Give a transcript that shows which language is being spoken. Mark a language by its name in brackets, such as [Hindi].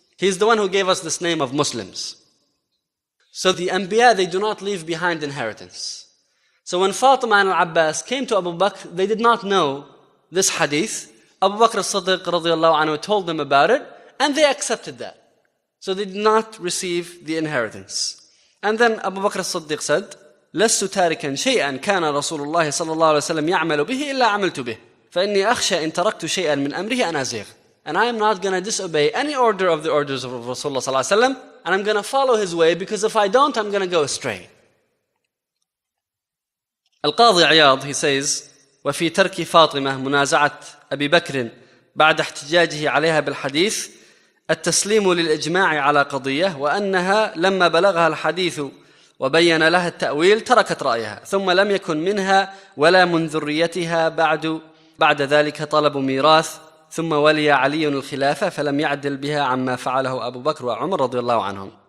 [English] He is the one who gave us this name of Muslims. So the Anbiya, they do not leave behind inheritance. So when Fatima and al-Abbas came to Abu Bakr, they did not know this hadith. Abu Bakr as-Siddiq radiallahu anhu told them about it, and they accepted that. So they did not receive the inheritance. And then Abu Bakr as-Siddiq said, [Arabic] لَسْتُ تَارِكًا شَيْئًا كَانَ رَسُولُ اللَّهِ صَلَّى اللَّهُ عَلَيْهِ وَسَلَّمْ يَعْمَلُ بِهِ إِلَّا عَمِلْتُ بِهِ فَإِنِّي أَخْشَى إِنْ تَرَكْتُ شَيْئًا مِنْ أَمْرِهِ أَنْ أَزِيغَ. [English] And I am not going to disobey any order of the orders of Rasulullah sallallahu alaihi wasallam, and I'm going to follow his way, because if I don't, I'm going to go astray. Al-Qadhi Iyad, he says, [Arabic] وَفِي تَرْكِ فَاطِمَةَ مُنَازَعَةَ أَبِي بَكْرٍ بَعْدَ احْتِجَاجِهِ عَلَيْهَا بِالْحَدِيثِ التَّسْلِيمُ لِلْإِجْمَاعِ عَلَى قَضِيَّةٍ وَأَنَّهَا لَمَّا بَلَغَهَا الْحَدِيثُ وَبَيَّنَ لَهَا التَّأْوِيلُ تَرَكَتْ رَأْيَهَا ثُمَّ لَمْ يَكُنْ مِنْهَا وَلَا مِنْ ذُرِّيَّتِهَا بَعْدَ ذَلِكَ طَلَبُ مِيرَاثٍ ثم ولي علي الخلافة فلم يعدل بها عما فعله أبو بكر وعمر رضي الله عنهم.